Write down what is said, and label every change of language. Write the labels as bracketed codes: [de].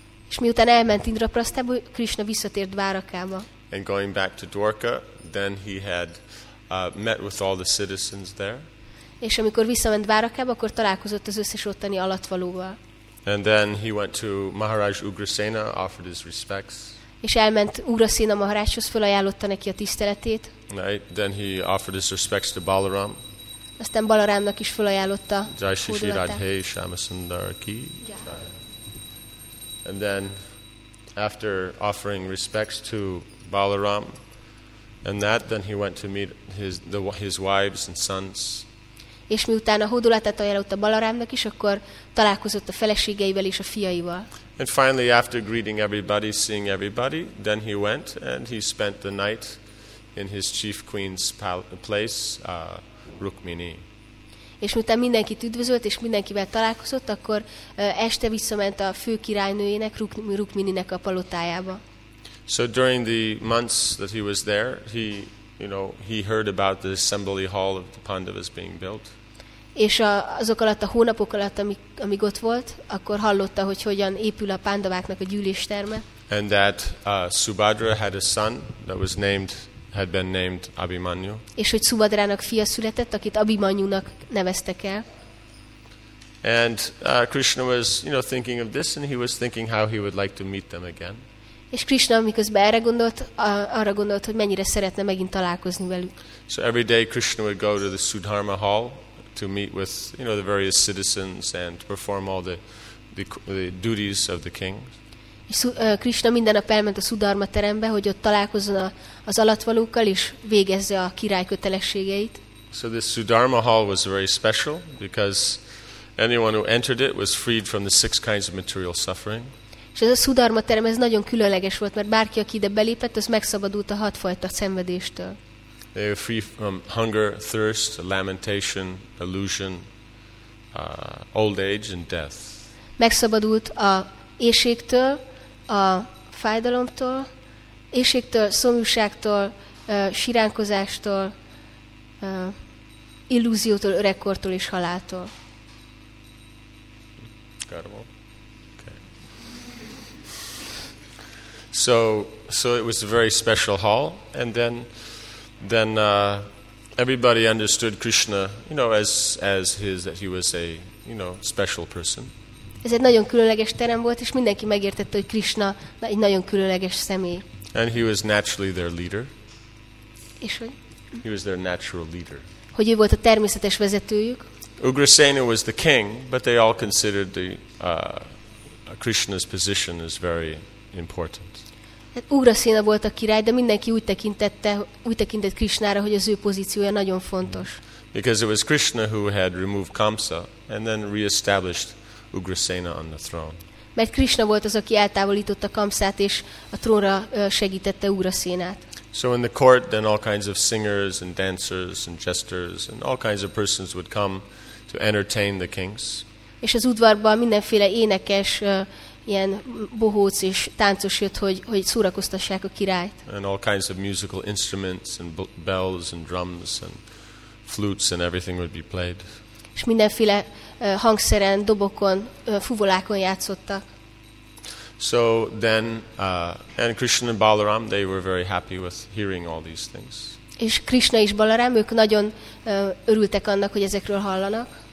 [hu] És miután elment Indraprasthába, Krishna visszatért Dvárakába. [en] And going back to Dwarka, then he had met with all the citizens there. [hu] És amikor visszament Dvárakába, akkor találkozott az összes ottani alattvalóval. [en] And then he went to Maharaj Ugrasena, offered his respects. [hu] És elment Ugrasena Maharajhoz, felajánlotta neki a tiszteletét. [en] Right. Then he offered his respects to Balaram. [hu] Aztán Balarámnak is felajánlotta. [hi] Jai Shri Radhe Shyamasundara ki. [en] And then after offering respects to Balaram and that, then he went to meet his wives and sons. [hu] És miután a hódolatát ajánlotta Balarámnak is, akkor találkozott a feleségeivel és a fiaival. [en] And finally, after greeting everybody, seeing everybody, then he went and he spent the night in his chief queen's place, Rukmini. [hu] És miután mindenkit üdvözölt és mindenkivel találkozott, akkor este visszament a főkirálynőjének, Rukmininek a palotájába. [en] So during the months that he was there, he heard about the assembly hall of the Pandavas being built. [hu] És azok alatt, a hónapok alatt, amíg ott volt, akkor hallotta, hogy hogyan épül a Pandaváknak a gyűlésterme. [en] And that Subhadra had a son that was had been named Abhimanyu. [hu] És hogy Subhadrának fia született, akit Abhimanyunak neveztek el. [en] And Krishna was, thinking of this, and he was thinking how he would like to meet them again. [hu] És Krishna, miközben erre gondolt, arra gondolt, hogy mennyire szeretne megint találkozni velük. [en] So every day Krishna would go to the Sudharma hall to meet with, the various citizens and perform all the duties of the king. [hu] És Krishna minden nap elment a Sudharma terembe, hogy ott találkozzon az alattvalókkal és végezze a király kötelességeit. [en] So the Sudharma hall was very special because anyone who entered it was freed from the six kinds of material suffering. [hu] És ez a Sudharma terem, ez nagyon különleges volt, mert bárki, aki ide belépett, az megszabadult a hatfajta szenvedéstől. [en] They were free from hunger, thirst, lamentation, illusion, old age and death. [hu] Megszabadult a éhségtől, a fájdalomtól, éhségtől, szomjúságtól, siránkozástól, illúziótól, öregkortól és haláltól. [en] So it was a very special hall, and then everybody understood Krishna, as his, that he was a, special person. [hu] Ez egy nagyon különleges terem volt, és mindenki megértette, hogy Krishna egy nagyon különleges személy. [en] And he was naturally their leader. [hu] És hogy? [en] He was their natural leader. [hu] Hogy ő volt a természetes vezetőjük. [en] Ugrasena was the king, but they all considered the Krishna's position as very important. [hu] Ugrasena volt a király, de mindenki úgy tekintett Krishnára, hogy az ő pozíciója nagyon fontos. [en] Because it was Krishna who had removed Kamsa and then reestablished Ugrasena on the throne. [hu] Mert Krishna volt az, aki eltávolította Kamsát és a trónra segítette Ugrasenát. [en] So in the court then all kinds of singers and dancers and jesters and all kinds of persons would come to entertain the kings. [hu] És az udvarban mindenféle énekes ilyen bohóc és táncos jött, hogy szórakoztassák a királyt. [en] And all kinds of musical instruments and bells and drums and flutes and everything would be played. [hu] És mindenféle hangszeren, dobokon, fuvolákon játszottak. [en] So then and Krishna and Balaram, they were very happy with hearing all these things. [hu] És Krishna és Balaram, ők nagyon örültek annak, hogy ezekről hallanak.